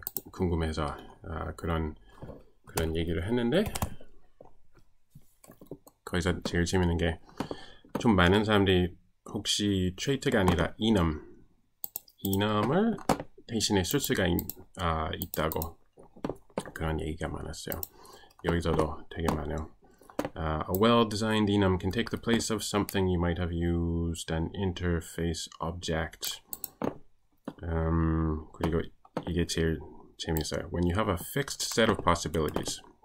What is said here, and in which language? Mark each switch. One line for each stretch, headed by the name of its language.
Korean: 궁금해서 그런 얘기를 했는데, 거기서 제일 재밌는 게좀 많은 사람들이 혹시 트레이트가 아니라 이넘을 대신에 쓸 수가 있다고 그런 얘기가 많았어요. 여기서도 되게 많아요.
English: A well-designed enum can take the place of something you might have used, an interface object.
Korean: 그리고 이게 제일 재밌어요.
English: When you have a fixed set of possibilities.